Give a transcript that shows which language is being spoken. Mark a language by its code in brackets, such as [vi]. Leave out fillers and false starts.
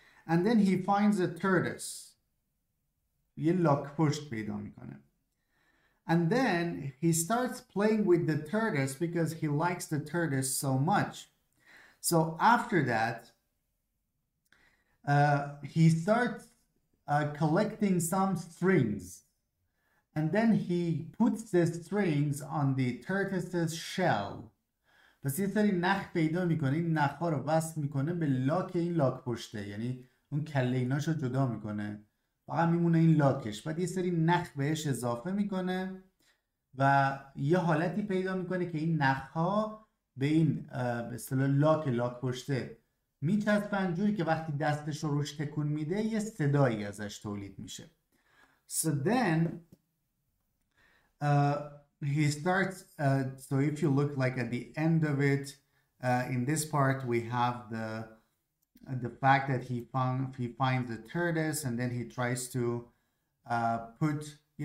[en] And then he finds a tortoise. And then he starts playing with the tortoise because he likes the tortoise so much. So after that, he starts collecting some strings. And then he puts the strings on the tortoise's shell. [fa] پس یه سری نخ پیدا میکنه، این نخ ها رو وصل میکنه به لاک این لاک پشته، یعنی اون کله ایناش رو جدا میکنه، فقط میمونه این لاکش، بعد یه سری نخ بهش اضافه میکنه و یه حالتی پیدا میکنه که این نخ ها به این به اصطلاح لاک پشته میچسبن، جوری که وقتی دستش رو روش تکون میده یه صدایی ازش تولید میشه. [en] So then he starts, so if you look like at the end of it, in this part we have the fact that he finds the tortoise, and then he tries to put